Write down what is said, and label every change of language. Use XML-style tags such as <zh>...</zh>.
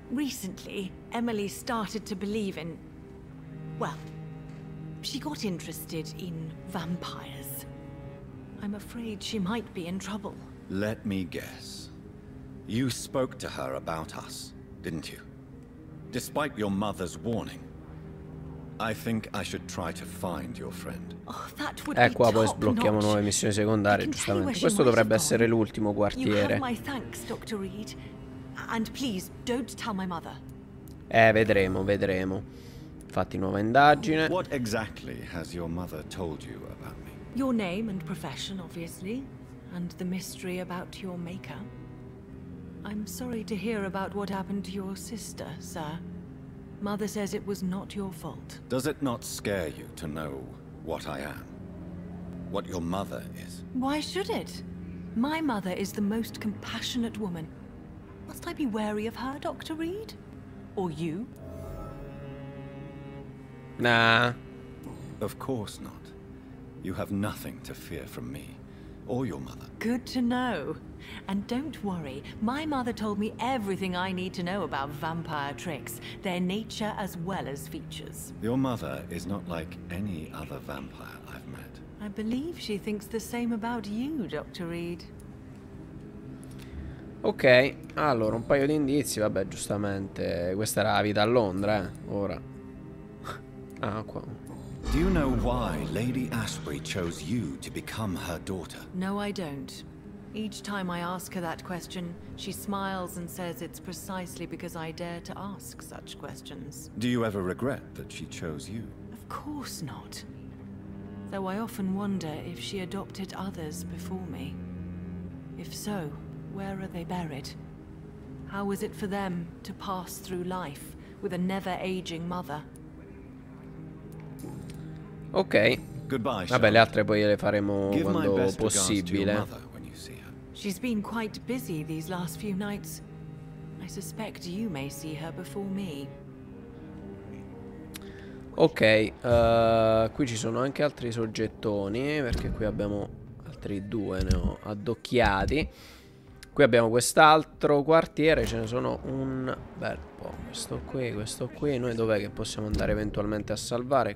<en>Recently, Emily started to believe in... Well, she got interested in vampires. I'm afraid she might be in trouble. Let me guess. You spoke to her about us, didn't you? Despite your mother's warning. I think I should try to find your friend. Oh, that would</en> <it>ecco, be poi sblocchiamo nuove missioni secondarie, giustamente. Questo dovrebbe essere l'ultimo quartiere.</it> <en>My thanks, Dr. Reed. And please don't tell my mother.</en> <it>Vedremo, vedremo. Infatti, nuova indagine.</it> <en>What exactly has your mother told you about me? Your name and profession, obviously, and the mystery about your maker. I'm sorry to hear about what happened to your sister, sir. Mother says it was not your fault. Does it not scare you to know what I am? What your mother is? Why should it? My mother is the most compassionate woman. Must I be wary of her, Dr. Reed? Or you? Nah. Of course not. You have nothing to fear from me or your mother. Good to know. And don't worry, my mother told me everything I need to know about vampire tricks, their nature as well as features. Your mother is not like any other vampire I've met. I believe she thinks the same about you, Dr. Reed.</en> <it>Ok, allora un paio di indizi, vabbè, giustamente, questa era la vita a Londra, ora. Ah, qua.</it> <en>Do you know why Lady Asprey chose you to become her daughter? No, I don't. Each time I ask her that question, she smiles and says it's precisely because I dare to ask such questions. Do you ever regret that she chose you? Of course not. Though I often wonder if she adopted others before me. If so, where are they buried? How was it for them to pass through life with a never-aging mother? Ok.</en> <it>Goodbye, vabbè, le altre poi le faremo quando possibile.</it> <en>She's been quite busy these last few nights. I suspect you may see her before me.</en> <it>Ok, qui ci sono anche altri soggettoni, perché qui abbiamo altri due, ne ho addocchiati. Qui abbiamo quest'altro quartiere, ce ne sono un bel po'. Questo qui, noi dov'è che possiamo andare eventualmente a salvare?</it>